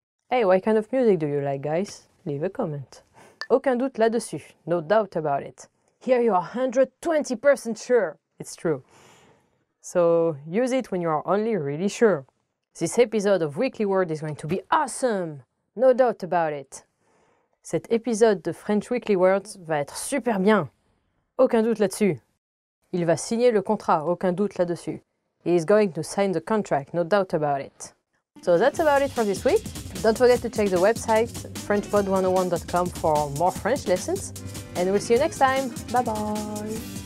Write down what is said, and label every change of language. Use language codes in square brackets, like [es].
[en] Hey, what kind of music do you like, guys? Leave a comment. [fr] Aucun doute là-dessus. [en] No doubt about it. Here you are 120% sure. It's true. So use it when you are only really sure. This episode of Weekly Word is going to be awesome. No doubt about it. [fr] Cet épisode de French Weekly Words va être super bien. Aucun doute là-dessus. Il va signer le contrat. Aucun doute là-dessus. [en] He is going to sign the contract, no doubt about it. So that's about it for this week. Don't forget to check the website, FrenchPod101.com, for more French lessons. And we'll see you next time. Bye-bye.